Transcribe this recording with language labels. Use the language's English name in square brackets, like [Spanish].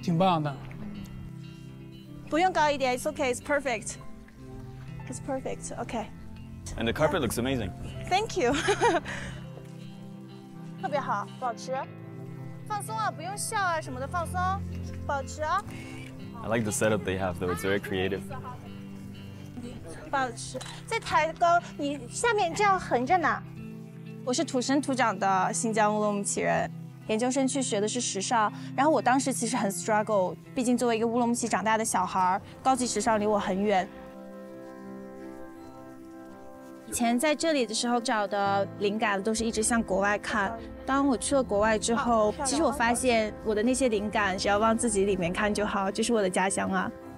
[Chinese] 没有人看过这种展览，好多人不懂，就新疆有什么样的人，什么样的风景都不知道，挺棒的。不用高一点， it's [English] okay, it's perfect. It's perfect, okay. And the carpet looks amazing. Thank you. [Chinese] 特别好，保持，放松啊，不用笑啊什么的，放松，保持啊。 I [English] like the setup they have, though. It's very creative. [Chinese] 保持，再抬高，你下面这样横着呢。我是土生土长的新疆乌鲁木齐人，研究生去学的是时尚，然后我当时其实很 struggle，毕竟作为一个乌鲁木齐长大的小孩，高级时尚离我很远。以前在这里的时候找的灵感都是一直向国外看，当我去了国外之后，其实我发现我的那些灵感只要往自己里面看就好，就是我的家乡啊。